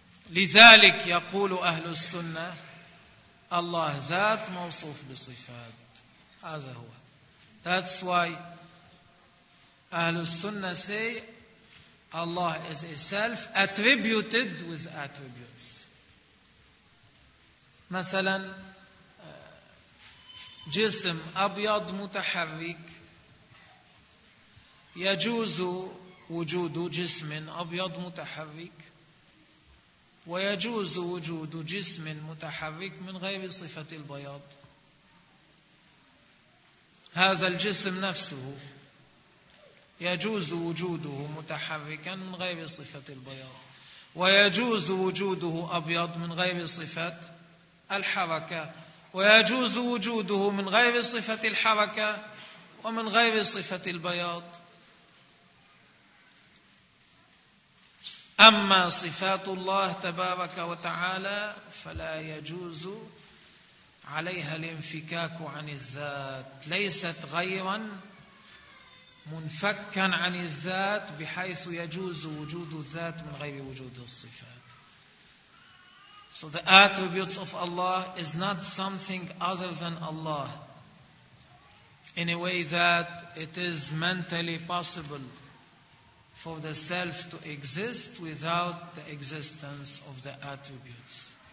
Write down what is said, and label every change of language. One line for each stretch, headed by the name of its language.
Arabic: لذلك يقول أهل السنة الله ذات موصوف بصفات. هذا هو.
English: That's why أهل السنة say Allah is a self attributed with attributes.
Arabic: مثلا جسم أبيض متحرك يجوز وجود جسم أبيض متحرك ويجوز وجود جسم متحرك من غير صفة البياض. هذا الجسم نفسه يجوز وجوده متحركا من غير صفة البياض ويجوز وجوده أبيض من غير صفة الحركة ويجوز وجوده من غير صفة الحركة ومن غير صفة البياض. أما صفات الله تبارك وتعالى فلا يجوز عليها الانفكاك عن الذات, ليست غيرا منفكا عن الذات بحيث يجوز وجود الذات من غير وجود الصفات.
English: So the attributes of Allah is not something other than Allah in a way that it is mentally possible for the self to exist without the existence of the attributes.